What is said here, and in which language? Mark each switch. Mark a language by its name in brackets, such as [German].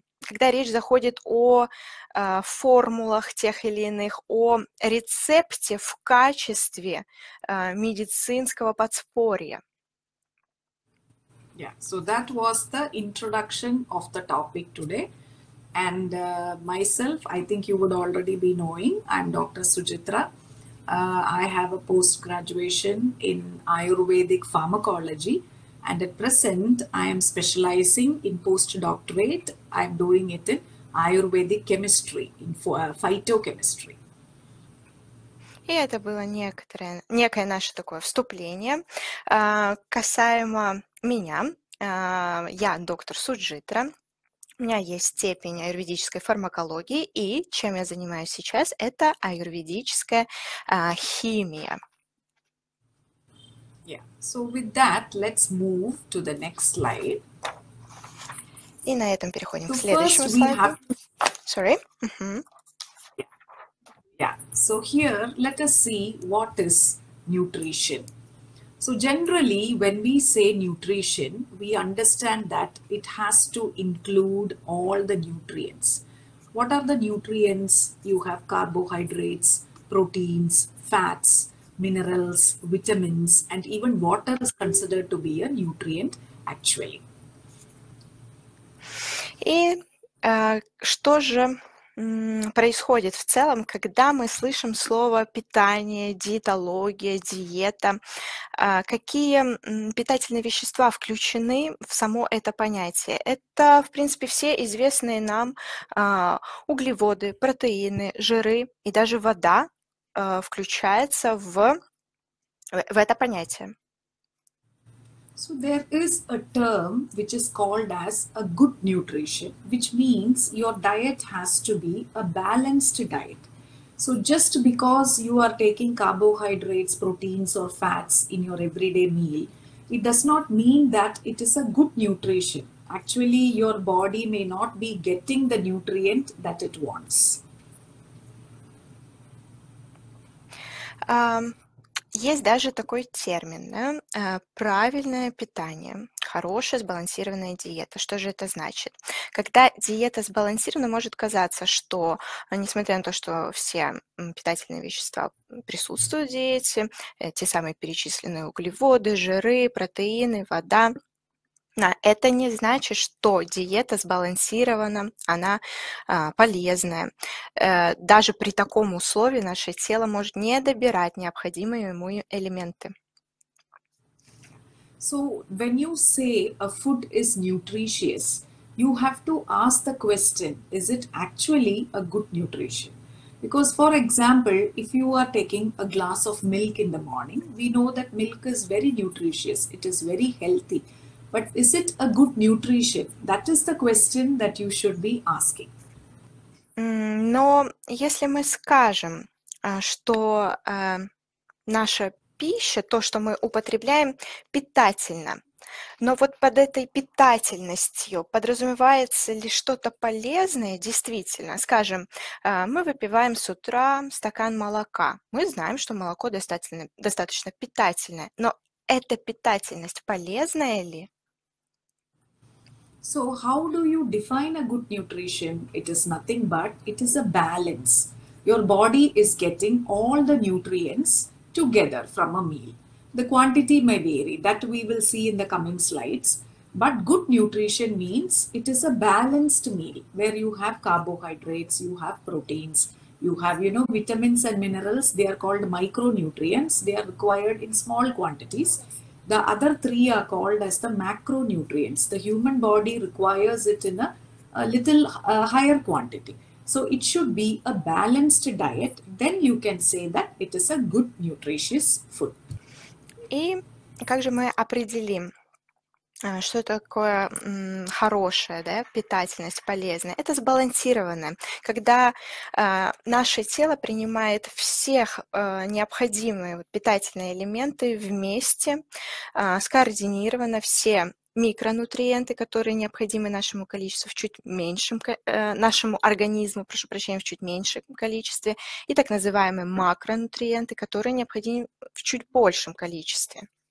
[Russian] Когда речь заходит о формулах тех или иных, о рецепте в качестве медицинского подспорья. [English] Yeah, so that was the introduction of the topic today. And myself, I think you would already be knowing, I'm Dr. Sujitra. I have a post-graduation in Ayurvedic pharmacology. And at present, I am specializing in postdoctorate. I am doing it in Ayurvedic chemistry, in phytochemistry. [Russian] И это было некое наше такое вступление касаемо меня. Я доктор Суджитра. У меня есть степень аюрведической фармакологии. И чем я занимаюсь сейчас, это аюрведическая химия. [English] Yeah. So with that, let's move to the next slide. [Russian] И на этом переходим к следующему слайду. [English] Sorry. Yeah. So here, let us see what is nutrition. So generally, when we say nutrition, we understand that it has to include all the nutrients. What are the nutrients? You have carbohydrates, proteins, fats, minerals, vitamins, and even water is considered to be a nutrient, actually. [Russian] И что же происходит в целом, когда мы слышим слово питание, диетология, диета? Какие питательные вещества включены в само это понятие? Это, в принципе, все известные нам углеводы, протеины, жиры и даже вода включается в это понятие. [English] So there is a term which is called as a good nutrition, which means your diet has to be a balanced diet. So just because you are taking carbohydrates, proteins or fats in your everyday meal, it does not mean that it is a good nutrition. Actually, your body may not be getting the nutrient that it wants. [Russian] Есть даже такой термин, да? Правильное питание, хорошая сбалансированная диета. Что же это значит? Когда диета сбалансирована, может казаться, что, несмотря на то, что все питательные вещества присутствуют в диете, те самые перечисленные углеводы, жиры, протеины, вода, но это не значит, что диета сбалансирована, она полезная. Даже при таком условии наше тело может не добирать необходимые ему элементы. [English] So when you say a food is nutritious, you have to ask the question, is it actually a good nutrition? Because, for example, if you are taking a glass of milk in the morning, we know that milk is very nutritious, it is very healthy. But is it a good nutrition? That is the question that you should be asking. [Russian] Но если мы скажем, что наша пища, то, что мы употребляем, питательна, но вот под этой питательностью подразумевается ли что-то полезное действительно, скажем, мы выпиваем с утра стакан молока, мы знаем, что молоко достаточно питательное, но эта питательность полезная ли? [English] So how do you define a good nutrition? It is nothing but it is a balance. Your body is getting all the nutrients together from a meal. The quantity may vary, that we will see in the coming slides. But good nutrition means it is a balanced meal where you have carbohydrates, you have proteins, you have, you know, vitamins and minerals. They are called micronutrients. They are required in small quantities. The other three are called as the macronutrients. The human body requires it in a little higher quantity. So it should be a balanced diet. Then you can say that it is a good nutritious food. [Russian] И как же мы определим, что такое хорошая, да, питательность, полезная? Это сбалансированное, когда наше тело принимает всех необходимые питательные элементы вместе, скоординировано все микронутриенты, которые необходимы нашему количеству в чуть меньшем, нашему организму, прошу прощения, в чуть меньшем количестве, и так называемые макронутриенты, которые необходимы в чуть большем количестве.